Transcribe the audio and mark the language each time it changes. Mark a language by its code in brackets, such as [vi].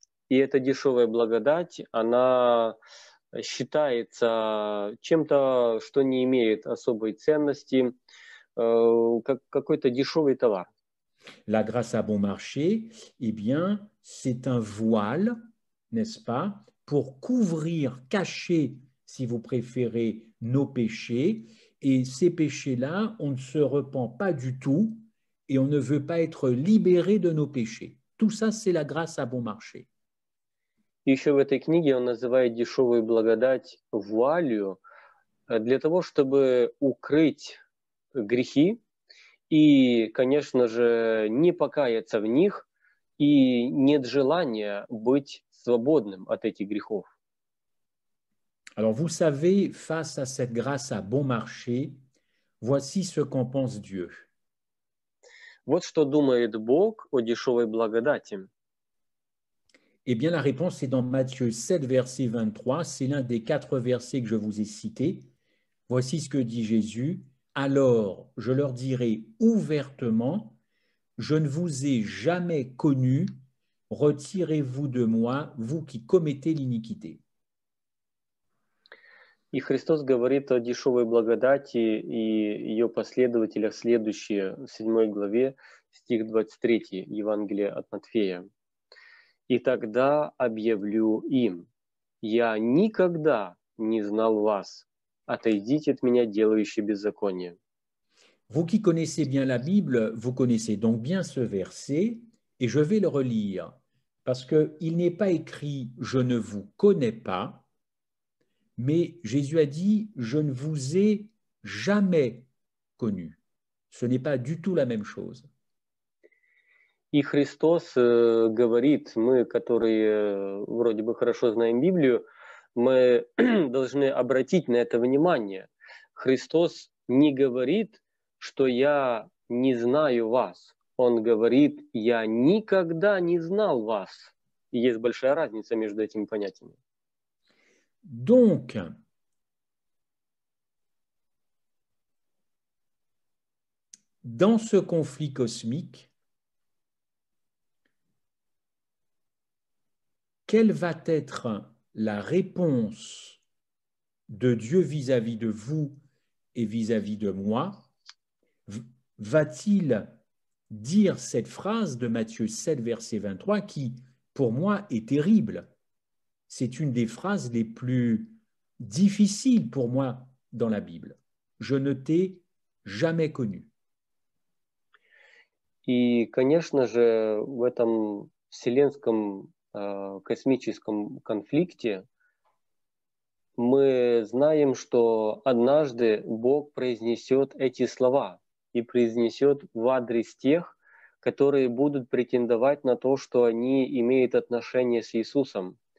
[ru] И эта дешевая благодать, она считается чем-то, что не имеет особой ценности, как какой-то дешевый товар. [fr] La grâce à bon marché, eh bien, c'est un voile, n'est-ce pas, pour couvrir, cacher, si vous préférez, nos péchés. Et ces péchés-là, on ne se repent pas du tout et on ne veut pas être libéré de nos péchés. Tout ça, c'est la grâce à bon marché. [ru] Еще в этой книге он называет дешевую благодать вуалью для того, чтобы укрыть грехи, и, конечно же, не покаяться в них, и нет желания быть свободным от этих грехов. [fr] Alors, vous savez, face à cette grâce à bon marché, voici ce qu'en pense Dieu. [ru] Вот что думает Бог о дешевой благодати. [fr] Eh bien, la réponse est dans Matthieu 7, verset 23. C'est l'un des quatre versets que je vous ai cités. Voici ce que dit Jésus. Alors, je leur dirai ouvertement, je ne vous ai jamais connu, retirez-vous de moi, vous qui commettez l'iniquité. [ru] И Христос говорит о дешевой благодати и ее последователях следующее, в 7 главе, стих 23 Евангелия от Матфея. И тогда объявлю им, я никогда не знал вас, отойдите от меня, делающие беззаконие. [fr] Vous qui connaissez bien la Bible, vous connaissez donc bien ce verset, et je vais le relire, parce qu'il n'est pas écrit « je ne vous connais pas », mais Jésus a dit « je ne vous ai jamais connu ». Ce n'est pas du tout la même chose. [ru] И Христос говорит, мы, которые вроде бы хорошо знаем Библию, мы должны обратить на это внимание. Христос не говорит, что я не знаю вас. Он говорит, я никогда не знал вас. И есть большая разница между этими понятиями. [fr] Donc, dans ce conflit cosmique, quelle va être la réponse de Dieu vis-à-vis de vous et vis-à-vis de moi? Va-t-il dire cette phrase de Matthieu 7, verset 23, qui, pour moi, est terrible? C'est une des phrases les plus difficiles pour moi dans la Bible. Je ne t'ai jamais connu. [ru] И, конечно же, в этом вселенском космическом конфликте мы знаем, что однажды Бог произнесет эти слова и произнесет в адрес тех, которые будут претендовать на то, что они имеют отношение с Иисусом.